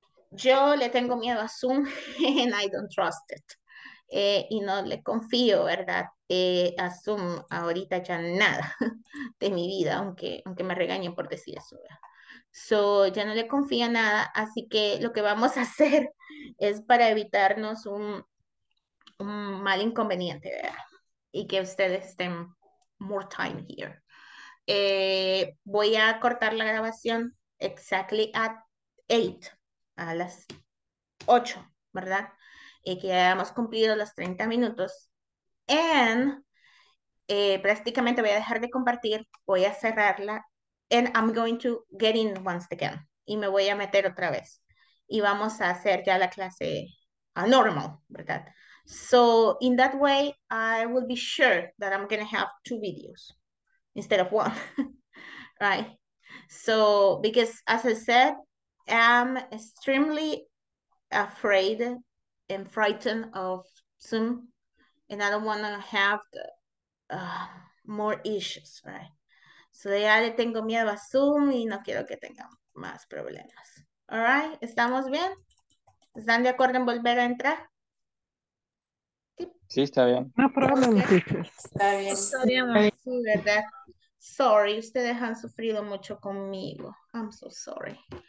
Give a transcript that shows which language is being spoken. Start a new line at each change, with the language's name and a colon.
Spanish: Yo le tengo miedo a Zoom
English: and I don't trust it.
Spanish: Y no le confío, ¿verdad? A Zoom ahorita ya nada de mi vida, aunque me regañen por decir eso, ¿verdad? So, ya no le confía nada, así que lo que vamos a hacer es para evitarnos un mal inconveniente, ¿verdad? Y que ustedes estén
English: more time here.
Spanish: Voy a cortar la grabación
English: exactly at 8,
Spanish: a las 8, ¿verdad? Que ya hemos cumplido los 30 minutos. And prácticamente voy a dejar de compartir, voy a cerrarla.
English: And I'm going to get in once again.
Spanish: Y me voy a meter otra vez. Y vamos a hacer ya la clase a normal, ¿verdad?
English: So, in that way, I will be sure that I'm going to have two videos instead of one. Right? So, because as I said, I'm extremely afraid and frightened of Zoom. And I don't want to have more issues, right?
Spanish: So ya le tengo miedo a Zoom y no quiero que tenga más problemas. Alright, ¿estamos bien? ¿Están de acuerdo en volver a entrar? Sí, está bien.
English: No problem, Okay. teacher.
Spanish: Está bien.
English: Sorry,
Spanish: Sí, ¿verdad? Sorry, ustedes han sufrido mucho conmigo.
English: I'm so sorry.